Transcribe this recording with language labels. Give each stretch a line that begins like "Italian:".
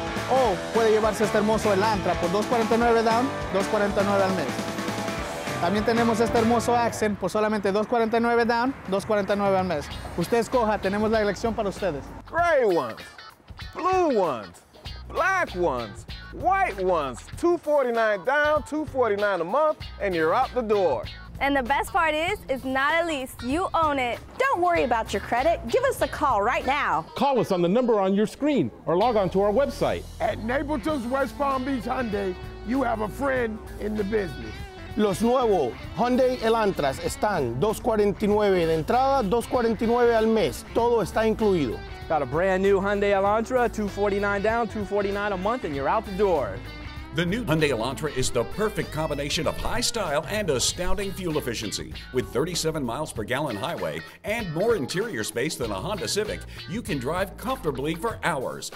Spanish: O puede llevarse este hermoso Elantra por $249 down, $249 al mes. También tenemos este hermoso Accent por solamente $249 down, $249 al mes. Usted escoja, tenemos la elección para ustedes.
English: Gray ones, blue ones, black ones, white ones, $249 down, $249 a month, and you're out the door. And the best part is, it's not a lease. You own it. Don't worry about your credit. Give us a call right now. Call us on the number on your screen or log on to our website. At Napleton's West Palm Beach Hyundai, you have a friend in the business.
Spanish: Los nuevos Hyundai Elantras están $249 de entrada, $249 al mes. Todo está incluido.
English: Got a brand new Hyundai Elantra, $249 down, $249 a month, and you're out the door. The new Hyundai Elantra is the perfect combination of high style and astounding fuel efficiency. With 37 miles per gallon highway and more interior space than a Honda Civic, you can drive comfortably for hours.